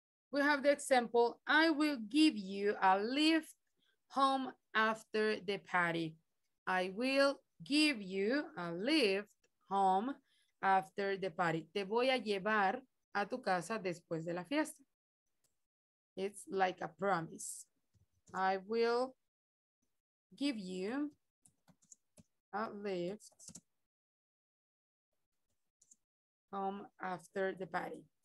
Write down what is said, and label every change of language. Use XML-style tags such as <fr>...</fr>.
<en>We have the example, I will give you a lift home after the party. I will give you a lift home after the party.</en> <es>Te voy a llevar a tu casa después de la fiesta.</es> <en>It's like a promise. I will give you a lift home after the party.</en>